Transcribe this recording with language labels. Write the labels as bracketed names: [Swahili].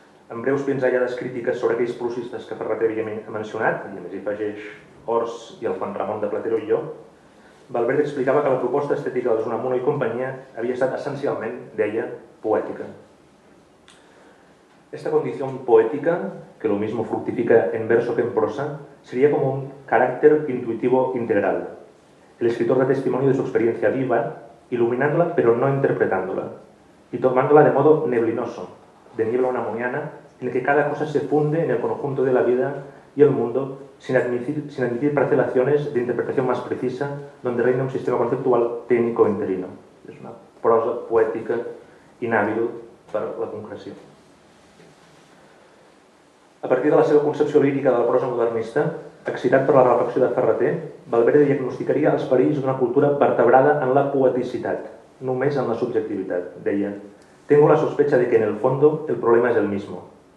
[Catalan] En breus pinzellades crítiques sobre aquells prosistes que Ferrater havia mencionat, i a més hi afegeix Ors i el Juan Ramón de Platero i jo, Valverde explicava que la proposta estètica dels Unamuno i companyia havia estat essencialment, deia, poètica. [Spanish] Esta condición poética, que lo mismo fructifica en verso que en prosa, sería como un carácter intuitivo integral. El escritor da testimonio de su experiencia viva, iluminándola pero no interpretándola, y tomándola de modo neblinoso, de niebla unamuniana, en el que cada cosa se funde en el conjunto de la vida y el mundo, sin admitir parcelaciones de interpretación más precisa, donde reina un sistema conceptual técnico interino. Es una prosa poética inhábil para la concreció. [Catalan] A partir de la seva concepció lírica de la prosa modernista, excitat per la reflexió de Ferrater, Valverde diagnosticaria els perills d'una cultura vertebrada en la poeticitat, només en la subjectivitat, deia: [Spanish] tengo la sospecha de que en el fondo el problema es el mismo.